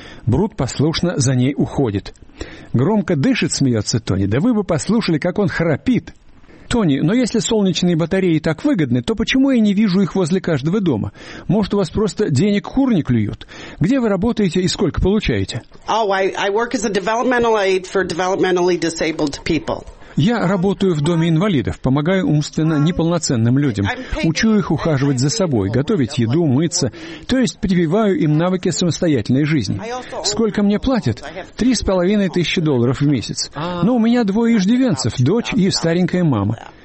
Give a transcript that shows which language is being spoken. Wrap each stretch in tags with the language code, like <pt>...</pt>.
<ru>Брут послушно за ней уходит. «Громко дышит», — смеется Тони. «Да вы бы послушали, как он храпит!» «Тони, но если солнечные батареи так выгодны, то почему я не вижу их возле каждого дома? Может, у вас просто денег кур не клюют? Где вы работаете и сколько получаете?»</ru> <en>Oh, I work as a developmental aide for developmentally disabled people.</en> <ru>Я работаю в доме инвалидов, помогаю умственно неполноценным людям. Учу их ухаживать за собой, готовить еду, мыться. То есть прививаю им навыки самостоятельной жизни. Сколько мне платят? $3,500 в месяц. Но у меня двое иждивенцев, дочь и старенькая мама.</ru>